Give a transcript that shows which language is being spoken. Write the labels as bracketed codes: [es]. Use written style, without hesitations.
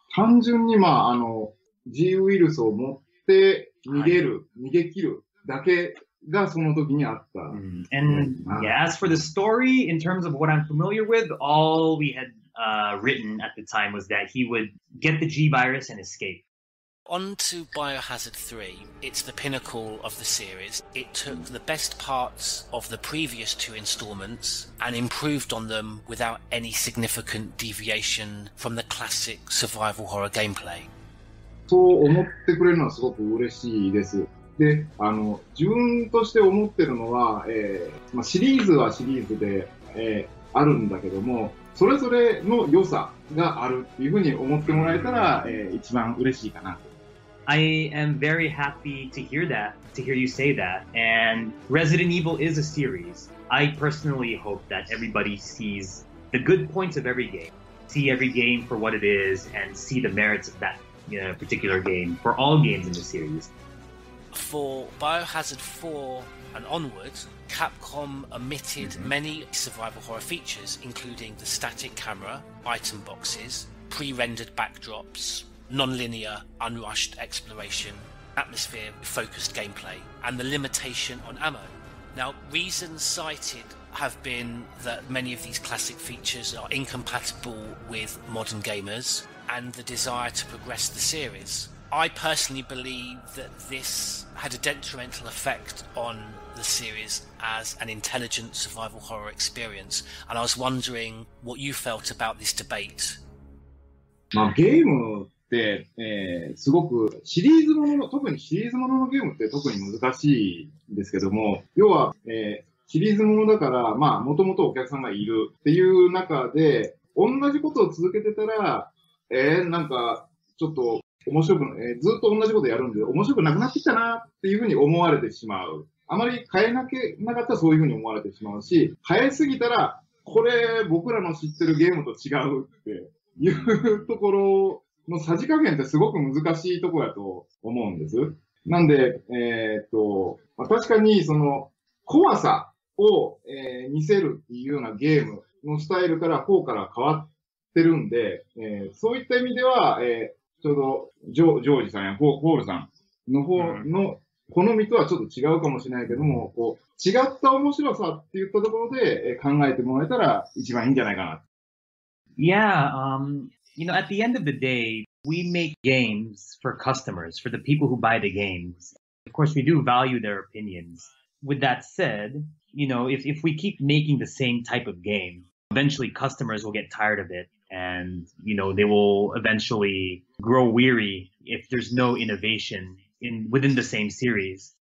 [ja] 単純に、まあ、あの、G ウイルスを持って逃げる、はい、逃げ切るだけがその時にあった。 Mm. [en] And, yeah, as for the story, in terms of what I'm familiar with, all we had, written at the time was that he would get the G virus and escape. On to Biohazard 3. It's the pinnacle of the series. It took the best parts of the previous two installments and improved on them without any significant deviation from the classic survival horror gameplay. [ja] そう思ってくれるのはすごく嬉しいです。で、あの、自分として思ってるのは、まあ、シリーズはシリーズで、あるんだけども、それぞれの良さがあるっていうふうに思ってもらえたら、一番嬉しいかな。 [en] I am very happy to hear that, to hear you say that. And Resident Evil is a series. I personally hope that everybody sees the good points of every game, see every game for what it is, and see the merits of that, you know, particular game for all games in the series. For Biohazard 4, and onward, Capcom omitted many survival horror features, including the static camera, item boxes, pre-rendered backdrops, non-linear, unrushed exploration, atmosphere-focused gameplay, and the limitation on ammo. Now, reasons cited have been that many of these classic features are incompatible with modern gamers and the desire to progress the series. I personally believe that this had a detrimental effect on the series as an intelligent survival horror experience, and I was wondering what you felt about this debate. [ja] まあ、ゲームって、すごくシリーズものの、特にシリーズもののゲームって特に難しいんですけども、要は、シリーズものだから、まあ、もともとお客さんがいるっていう中で、同じことを続けてたら、なんか、ちょっと面白く、ずっと同じことやるんで、面白くなくなってきたなっていうふうに思われてしまう。あまり変えなきゃなかったらそういうふうに思われてしまうし、変えすぎたら、これ僕らの知ってるゲームと違うって、いうところのさじ加減ってすごく難しいところだと思うんです。なんで、確かにその怖さを、見せるっていうようなゲームのスタイルから方から変わってるんで、そういった意味では、ちょうどジョージさんやホールさんの方の好みとはちょっと違うかもしれないけども、こう違った面白さっていったところで考えてもらえたら一番いいんじゃないかな。 [en] Yeah, you know, at the end of the day, we make games for customers, for the people who buy the games. Of course, we do value their opinions. With that said, you know, if we keep making the same type of game, eventually customers will get tired of it and, you know, they will eventually grow weary if there's no innovation within the same series.